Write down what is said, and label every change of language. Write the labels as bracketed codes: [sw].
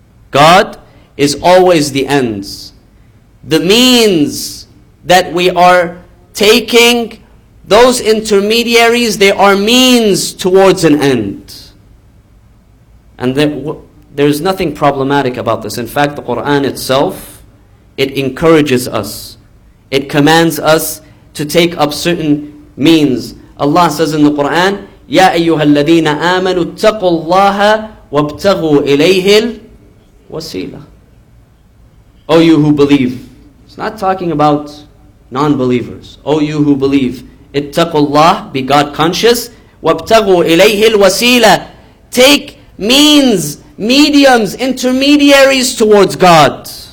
[en] God is always the ends. The means that we are taking, those intermediaries, they are means towards an end. And then, there is nothing problematic about this. In fact, the Quran itself, it encourages us. It commands us to take up certain means. Allah says in the Quran, [ar] يَا أَيُّهَا الَّذِينَ آمَنُوا اتَّقُوا اللَّهَ وَابْتَغُوا إِلَيْهِ الْوَسِيلَةِ. [en] O you who believe. It's not talking about non-believers. O you who believe. [ar] اتَّقُوا اللَّهَ, [en] be God conscious. [ar] وَابْتَغُوا إِلَيْهِ الْوَسِيلَةِ. [en] Take means, mediums, intermediaries towards God.